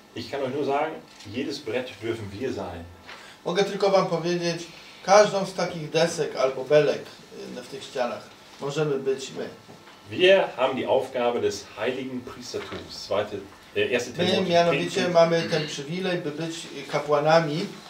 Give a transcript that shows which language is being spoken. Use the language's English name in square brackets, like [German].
[German] Ich kann euch nur sagen, jedes Brett dürfen wir sein. [Polish] Mogę tylko wam powiedzieć, każdą z takich desek albo belek w tych ścianach możemy być my. [German] Wir haben die Aufgabe des heiligen Priestertums. [Polish] My mianowicie mamy ten przywilej, by być kapłanami.